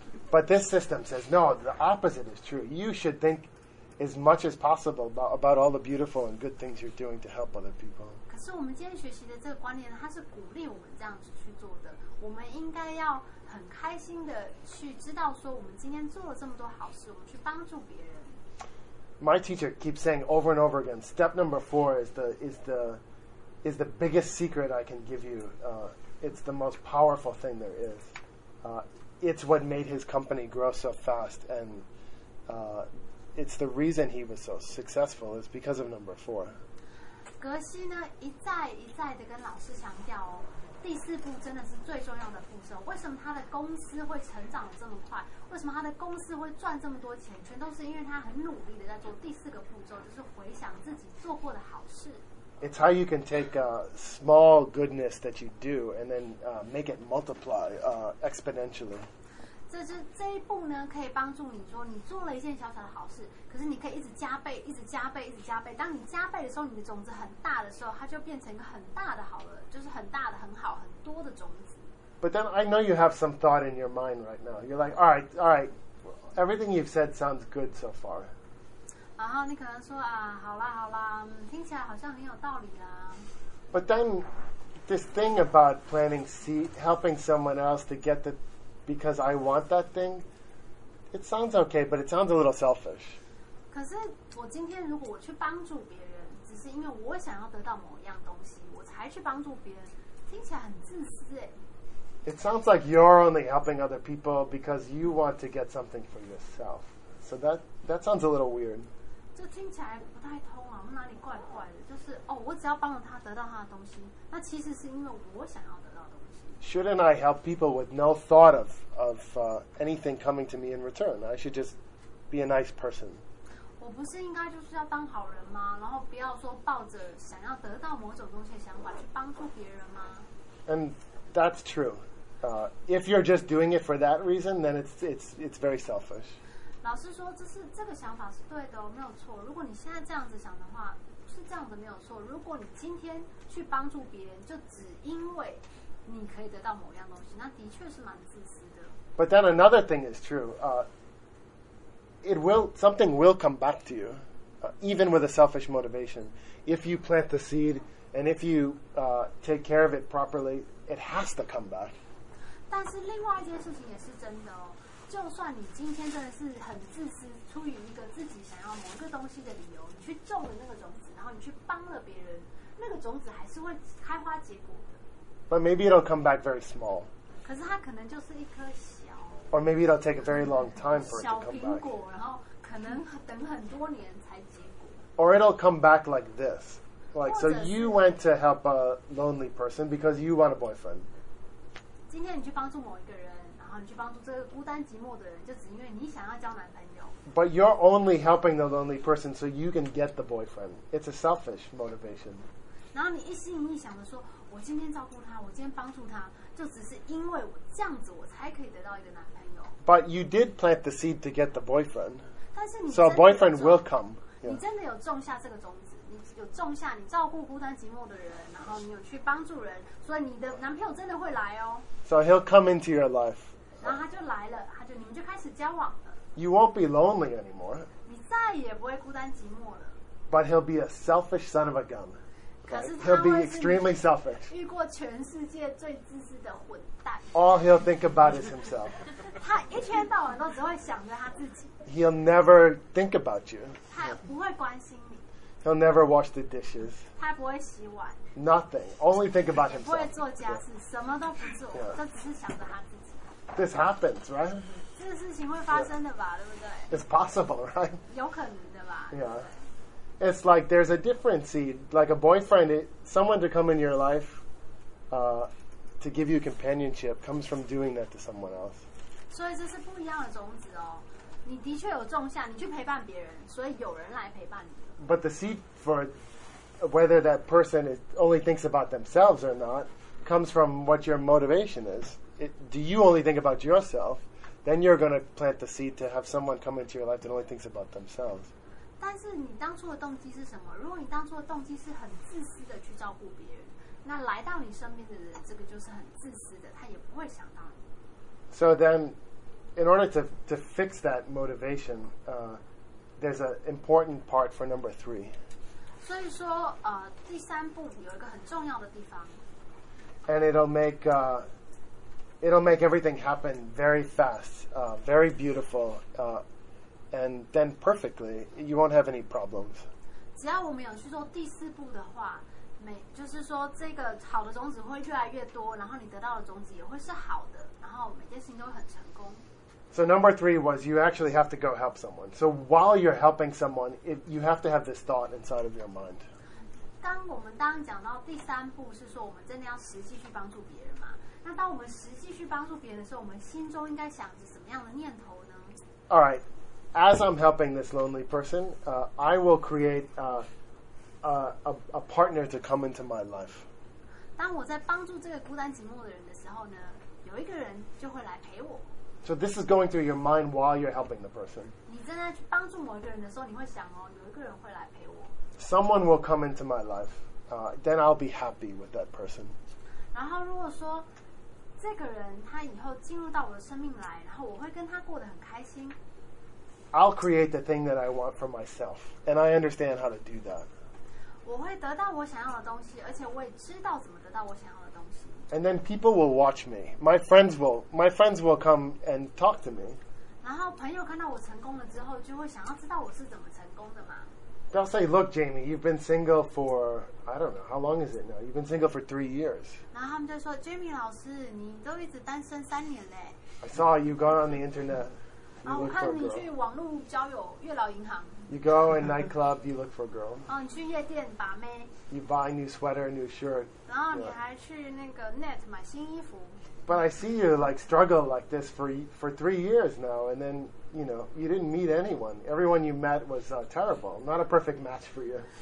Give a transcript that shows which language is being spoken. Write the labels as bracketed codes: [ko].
[en] But this system says, no, the opposite is true. You should think as much as possible about all the beautiful and good things you're doing to help other people. [zh] 可是我们今天学习的这个观念，它是鼓励我们这样子去做的。我们应该要很开心的去知道说，我们今天做了这么多好事，我们去帮助别人。 [en] My teacher keeps saying over and over again, step number four is the biggest secret I can give you. It's the most powerful thing there is. It's what made his company grow so fast, and it's the reason he was so successful is because of number four. [zh] 格西呢一再一再的跟老师强调哦，第四步真的是最重要的步骤。为什么他的公司会成长这么快？为什么他的公司会赚这么多钱？全都是因为他很努力的在做第四个步骤，就是回想自己做过的好事。 [en] It's how you can take a small goodness that you do and then make it multiply exponentially. [zh] 这一步呢，可以帮助你说你做了一件小小的好事。可是你可以一直加倍，一直加倍，一直加倍。当你加倍的时候，你的种子很大的时候，它就变成一个很大的好了，就是很大的、很好、很多的种子。 [en] But then I know you have some thought in your mind right now. You're like, all right, everything you've said sounds good so far. [zh] 然后你可能说啊，好啦好啦，听起来好像很有道理啦。 [en] But then this thing about planting seed, helping someone else to get the, because I want that thing, it sounds okay, but it sounds a little selfish. [zh] 可是我今天如果我去帮助别人，只是因为我想要得到某样东西，我才去帮助别人，听起来很自私耶。 [en] It sounds like you're only helping other people because you want to get something for yourself. So that sounds a little weird. [zh] 这听起来不太通啊，哪里怪怪的？就是哦，我只要帮了他得到他的东西，那其实是因为我想要得到东西。 [en] Shouldn't I help people with no thought of anything coming to me in return? I should just be a nice person. [zh] 我不是应该就是要当好人吗？然后不要说抱着想要得到某种东西的想法去帮助别人吗？ [en] And that's true. If you're just doing it for that reason, then it's very selfish. [zh] 老师说，这个想法是对的哦，没有错。如果你现在这样子想的话，是这样子没有错。如果你今天去帮助别人，就只因为你可以得到某样东西，那的确是蛮自私的。 [en] But then another thing is true. Something will come back to you, even with a selfish motivation. If you plant the seed and if you take care of it properly, it has to come back. [zh] 但是另外一件事情也是真的哦。就算你今天真的是很自私，出于一个自己想要某个东西的理由，你去种了那个种子，然后你去帮了别人，那个种子还是会开花结果的。 [en] But maybe it'll come back very small. [zh] 可是它可能就是一颗小。 [en] Or maybe it'll take a very long time for it to come back. [zh] 小苹果，然后可能等很多年才结果。 [en] Or it'll come back like this. Like, so you went to help a lonely person because you want a boyfriend. [zh] 今天你去帮助某一个人，然后你去帮助这个孤单寂寞的人，就只因为你想要交男朋友。 [en] But you're only helping the lonely person so you can get the boyfriend. It's a selfish motivation. [zh] 然后你一心一意想着说，我今天照顾他，我今天帮助他，就只是因为我这样子，我才可以得到一个男朋友。 [en] But you did plant the seed to get the boyfriend. [zh] 但是你真的有种， [en] so a boyfriend will come. Yeah. [zh] 你真的有种下这个种子。有种下你照顾孤单寂寞的人，然后你有去帮助人，所以你的男朋友真的会来哦。 [en] So he'll come into your life. [zh] 然后他就来了，你们就开始交往了。 [en] You won't be lonely anymore. [zh] 你再也不会孤单寂寞了。 [en] But he'll be a selfish son of a gun. [zh] 可是他会是。 [en] He'll be extremely selfish. [zh] 遇过全世界最自私的混蛋。 [en] All he'll think about is himself. [zh] 他一天到晚都只会想着他自己。 [en] He'll never think about you. [zh] 他不会关心。 [en] He'll never wash the dishes. [zh] 他不会洗碗。 [en] Nothing. Only think about himself. [zh] 不会做家事，什么都不做，就只是想着他自己。 [en] This happens, right? [zh] 这事情会发生的吧，对不对？ [en] It's possible, right? [zh] 有可能的吧。 [en] Yeah. It's like there's a different seed, like a boyfriend, someone to come in your life, to give you companionship comes from doing that to someone else. [zh] 所以这是不一样的种子哦。你的确有种下，你去陪伴别人，所以有人来陪伴你。 [en] But the seed for whether that person is only thinks about themselves or not comes from what your motivation is. Do you only think about yourself? Then you're going to plant the seed to have someone come into your life that only thinks about themselves. [zh] 但是你当初的动机是什么？如果你当初的动机是很自私的去照顾别人，那来到你身边的人，这个就是很自私的，他也不会想到你。 [en] So then, in order to fix that motivation, there's an important part for number three. [zh] 所以说，第三步有一个很重要的地方。 [en] And it'll make everything happen very fast, very beautiful, and then perfectly. You won't have any problems. [zh] 只要我们有去做第四步的话，就是说这个好的种子会越来越多，然后你得到的种子也会是好的，然后每件事情都会很成功。 [en] So number three was you actually have to go help someone. So while you're helping someone, you have to have this thought inside of your mind. [zh] 当我们当讲到第三步是说我们真的要实际去帮助别人嘛？那当我们实际去帮助别人的时候，我们心中应该想着什么样的念头呢？ [en] All right, as I'm helping this lonely person, I will create a partner to come into my life. [zh] 当我在帮助这个孤单寂寞的人的时候呢，有一个人就会来陪我。 [en] So this is going through your mind while you're helping the person. [zh] 你正在帮助某一个人的时候，你会想哦，有一个人会来陪我。 [en] Someone will come into my life, then I'll be happy with that person. [zh] 然后如果说这个人他以后进入到我的生命来，然后我会跟他过得很开心。 [en] I'll create the thing that I want for myself, and I understand how to do that. [zh] 我会得到我想要的东西，而且我也知道怎么得到我想要的东西。 [en] And then people will watch me. My friends will come and talk to me. [zh] 然后朋友看到我成功了之后，就会想要知道我是怎么成功的嘛。 [en] They'll say, look, Jamie, you've been single for, I don't know, how long is it now? You've been single for 3 years. [zh] 然后他们就说 Jamie 老师你都一直单身三年嘞。 [en] I saw you go on the internet. You look for a girl. [zh] 我看你去网络交友月老银行。 [en] You go in nightclub, you look for a girl. [zh] 你去夜店把妹。 [en] You buy a new sweater, a new shirt. [zh] 然后你还去那个 net 买新衣服。 [en] But I see you like struggle like this for 3 years now, and then, you know, you didn't meet anyone. Everyone you met was terrible, not a perfect match for you.